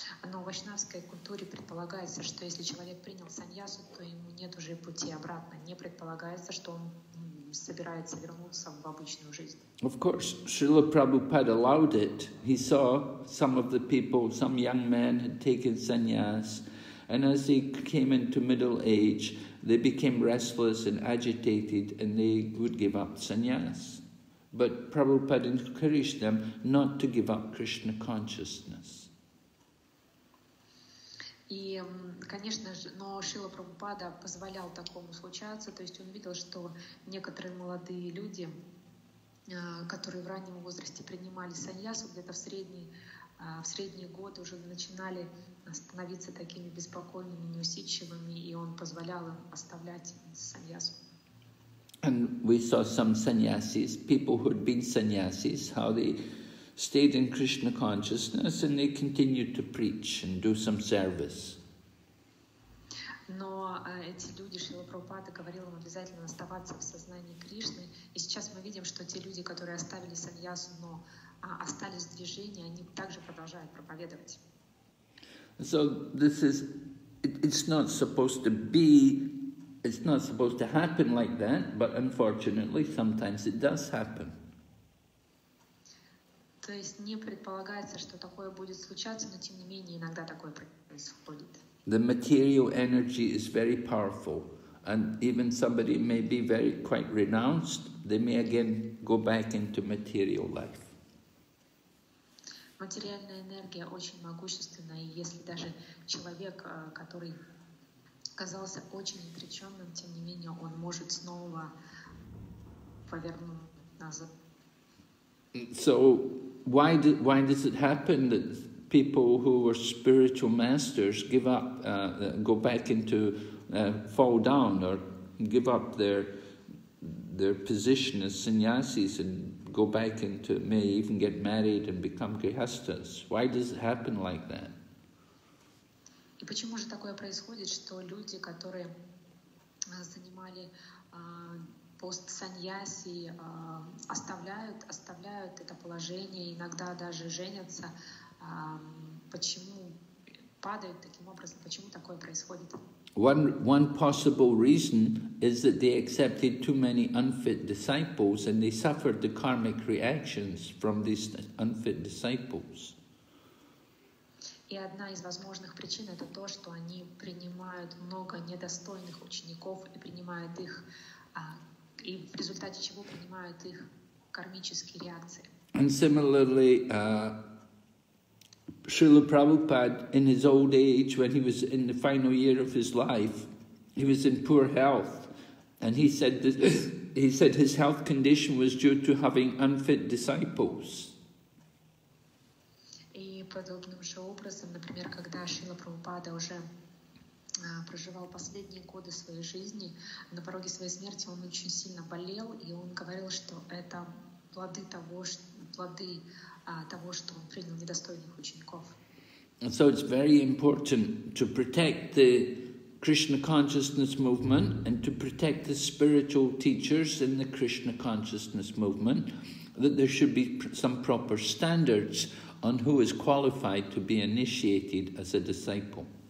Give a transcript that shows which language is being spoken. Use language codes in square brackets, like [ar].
[ru] Но в вайшнавской культуре предполагается, что если человек принял саньясу, то ему нет уже пути обратно. Не предполагается, что он собирается вернуться в обычную жизнь. [en] Of course, Srila Prabhupada allowed it. He saw some of the people, some young men had taken sannyas, and as they came into middle age, they became restless and agitated, and they would give up sannyas. But Prabhupada encouraged them not to give up Krishna consciousness. [ru] И, конечно же, но Шрила Прабхупада позволял такому случаться, то есть он видел, что некоторые молодые люди, которые в раннем возрасте принимали саньясу, где-то в средние годы уже начинали становиться такими беспокойными, неусидчивыми, и он позволял им оставлять саньясу. [en] And we saw some sannyasis, people who had been sannyasis, how they stayed in Krishna consciousness and they continued to preach and do some service. [ru] Но эти люди, Шрила Прабхупада говорил им обязательно оставаться в сознании Кришны. И сейчас мы видим, что те люди, которые оставили саньясу, но остались в движении, они также продолжают проповедовать. [en] So this is, it's not supposed to be, it's not supposed to happen like that, but unfortunately sometimes it does happen. [ru] То есть не предполагается, что такое будет случаться, но тем не менее иногда такое происходит. [en] The material energy is very powerful, and even somebody may be very quite renounced, they may again go back into material life. [ru] Материальная энергия очень могущественна, и если даже человек, который казался очень отреченным, тем не менее он может снова повернуть назад. [en] So why does it happen that people who were spiritual masters give up, go back into, fall down or give up their position as sannyasis and go back into, may even get married and become grihasthas? Why does it happen like that? [ru] И почему же такое происходит, что люди, которые занимали пост саньяси, оставляют это положение, иногда даже женятся. Почему падают таким образом? Почему такое происходит? [en] One possible reason is that they accepted too many unfit disciples and they suffered the karmic reactions from these unfit disciples. [ru] И одна из возможных причин это то, что они принимают много недостойных учеников и принимают их, и в результате чего принимают их кармические реакции. [en] And similarly, Srila Prabhupada, in his old age, when he was in the final year of his life, he was in poor health, and he said that, he said his health condition was due to having unfit disciples. [ru] И подобным же образом, например, когда Шрила Прабхупада уже проживал последние годы своей жизни, на пороге своей смерти он очень сильно болел, и он говорил, что это плоды того, что плоды того, что он принял недостойных учеников. [en] And so it's very important to protect the Krishna consciousness movement and to protect the spiritual teachers in the Krishna consciousness movement, that there should be some proper standards on who is qualified to be initiated as a disciple.